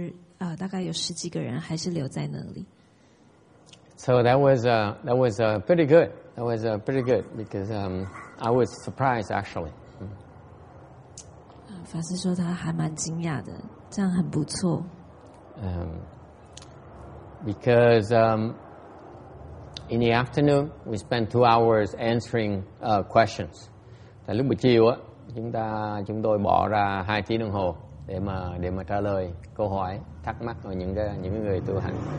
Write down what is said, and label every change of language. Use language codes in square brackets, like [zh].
[zh] 到了下午大概四五点的时候，法师说他很惊讶，还是很多人，大概有十几个人还是留在那里。 [en] So that was pretty good. That was pretty good because I was surprised actually. [zh] 法师说他还蛮惊讶的，这样很不错。 [en] Because in the afternoon we spent 2 hours answering questions. [vi] Tại lúc buổi chiều á, chúng tôi bỏ ra 2 tiếng đồng hồ để mà trả lời câu hỏi thắc mắc của những người tu hành.